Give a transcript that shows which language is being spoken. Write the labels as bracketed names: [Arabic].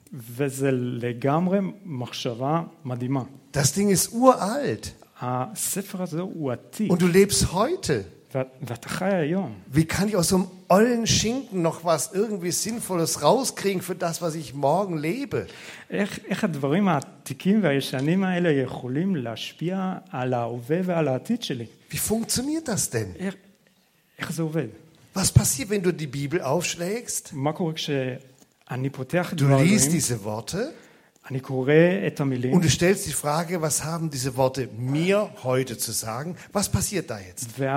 [Hebrew] וזה לגמרי מחשבה מדהימה. [German] Das Ding ist uralt. [Hebrew] הספר הזה הוא עתיק. [German] Und du lebst heute. [Hebrew] ואתה חי היום. [German] Wie kann ich aus so einem ollen Schinken noch was irgendwie Sinnvolles rauskriegen für das, was ich morgen lebe? [Hebrew] איך הדברים העתיקים והישנים האלה יכולים להשפיע על ההווה ועל העתיד שלי? [German] Wie funktioniert das denn? [Hebrew] איך זה עובד? [German] Was passiert, wenn du die Bibel aufschlägst? [Hebrew] מה קורה כש... [German] Du liest diese Worte und du stellst die Frage, was haben diese Worte mir heute zu sagen? Was passiert da jetzt?